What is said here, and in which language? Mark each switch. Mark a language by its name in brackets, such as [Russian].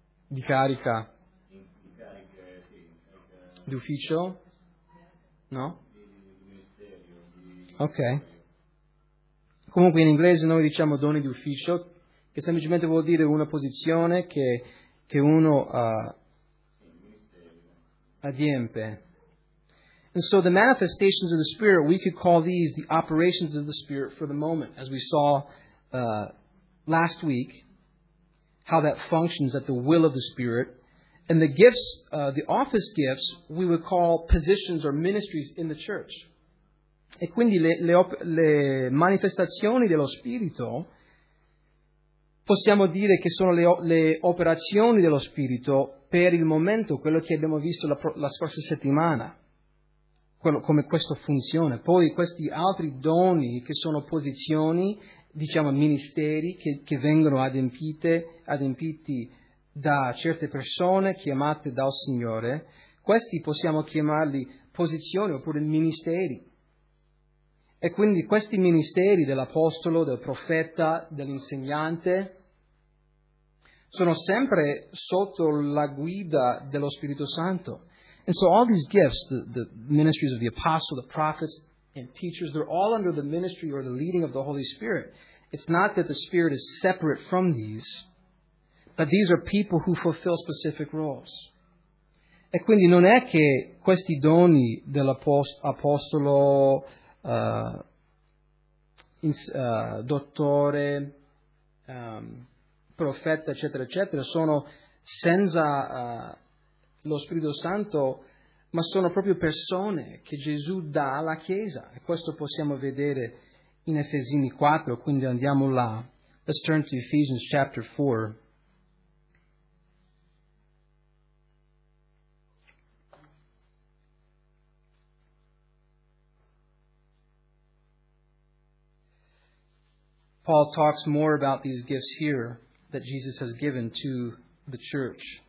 [Italian] Di carica, di ufficio, no? Ok. Comunque in inglese noi diciamo doni di ufficio, che semplicemente vuol dire una posizione che uno adempie. [English] And so the manifestations of the Spirit, we could call these the operations of the Spirit for the moment, as we saw last week. How that functions at the will of the Spirit. And the gifts, the office gifts, we would call positions or ministries in the church. [Italian] E quindi le manifestazioni dello Spirito, possiamo dire che sono le operazioni dello Spirito per il momento quello che abbiamo visto la scorsa settimana, come questo funziona. Poi questi altri doni che sono posizioni, diciamo ministeri, che vengono adempiti da certe persone chiamate dal Signore, questi possiamo chiamarli posizioni oppure ministeri. E quindi questi ministeri dell'apostolo, del profeta, dell'insegnante, sono sempre sotto la guida dello Spirito Santo. [English] And so all these gifts, the ministries of the apostles, the prophets, and teachers, they're all under the ministry or the leading of the Holy Spirit. It's not that the Spirit is separate from these, but these are people who fulfill specific roles. [Italian] E quindi non è che questi doni dell'apostolo, dottore, profeta, eccetera, eccetera, sono senza lo Spirito Santo, ma sono proprio persone che Gesù dà alla Chiesa. E questo possiamo vedere in Efesini 4, quindi andiamo là. [English] Let's turn to Ephesians chapter 4. Paul talks more about these gifts here that Jesus has given to the church.